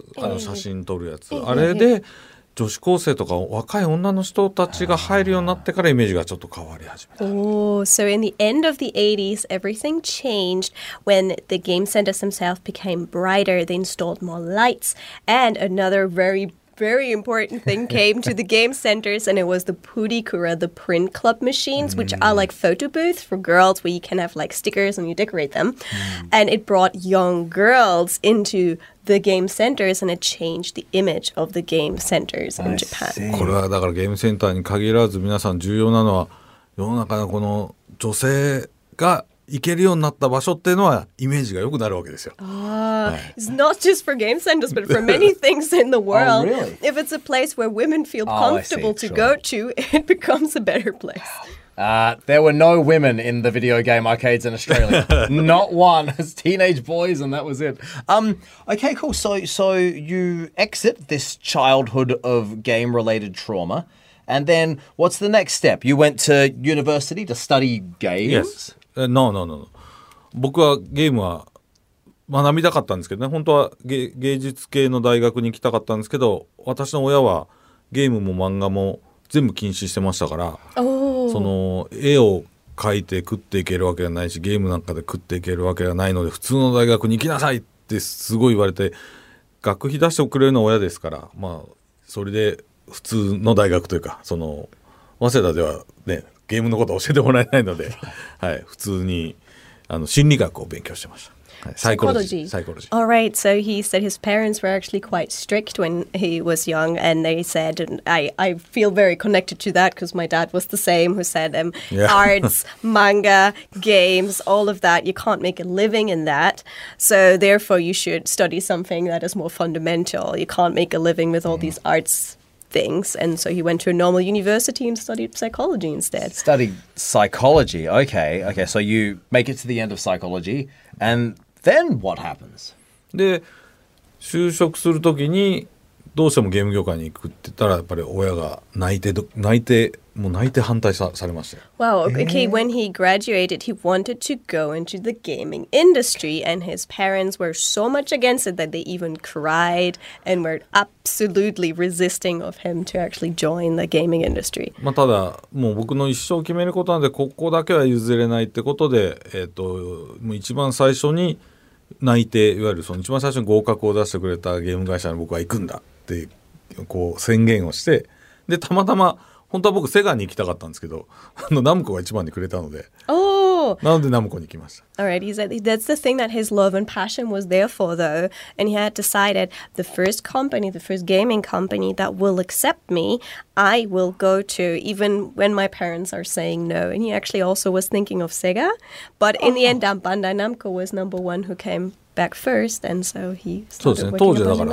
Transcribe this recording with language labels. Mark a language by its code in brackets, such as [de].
[ja] あの写真撮るやつ、あれで女子高生とか若い女の人たちが入るようになってからイメージがちょっと変わり始めた。 [en] Oh, so in the end of the 80s, everything changed when the game centers themselves became brighter. They installed more lights. And another very, very important thing came to the game centers, and it was the Purikura, the print club machines, which are like photo booths for girls where you can have like stickers and you decorate them. And it brought young girls into the game centers and it changed the image of the game centers in Japan. [ja] これはだからゲームセンターに限らず皆さん重要なのは世の中のこの女性が行けるようになった場所っていうのはイメージが良くなるわけですよ。 [en] It's not just for game centers but for many things in the world. Oh, really? If it's a place where women feel comfortable to go to, it becomes a better place. There were no women in the video game arcades in Australia. Not one. It's teenage boys and that was it. Okay, cool. So you exit this childhood of game-related trauma. And then what's the next step? You went to university to study games? Yes. No. [ja] 僕はゲームは学びたかったんですけどね。本当は芸術系の大学に行きたかったんですけど、私の親はゲームも漫画も全部禁止してましたから。その絵を描いて食っていけるわけがないしゲームなんかで食っていけるわけがないので普通の大学に行きなさいってすごい言われて学費出してくれるのは親ですからまあそれで普通の大学というかその早稲田ではねゲームのこと教えてもらえないので、はい、普通にあの心理学を勉強してました。 [en] Psychology. All right, so he said his parents were actually quite strict when he was young, and they said, and I feel very connected to that because my dad was the same, who said, arts, manga, games, all of that, you can't make a living in that. So therefore, you should study something that is more fundamental. You can't make a living with all these arts things, and so he went to a normal university and studied psychology instead. Studied psychology. Okay, okay. So you make it to the end of psychology, and then what happens? [ja] で、就職するときにどうしてもゲーム業界に行くって言ったら、やっぱり親が泣いて。もう泣いて反対されましたよ。 [en] Wow, okay, when he graduated, he wanted to go into the gaming industry, and his parents were so much against it that they even cried and were absolutely resisting of him to actually join the gaming industry. [ja] まあただ、もう僕の一生を決めることなんで、ここだけは譲れないってことで、もう一番最初に泣いて、いわゆるその一番最初に合格を出してくれたゲーム会社に僕は行くんだってこう宣言をして、で、たまたま本当は僕セガに行きたかったんですけど、ナムコが一番にくれたので、なのでナムコに行きました。 [en] Alright, he said that's the thing that his love and passion was there for though, and he had decided the first company, the first gaming company that will accept me, I will go to even when my parents are saying no. And he actually also was thinking of Sega, but in the end, Bandai Namco was number one who came back first, and so he started working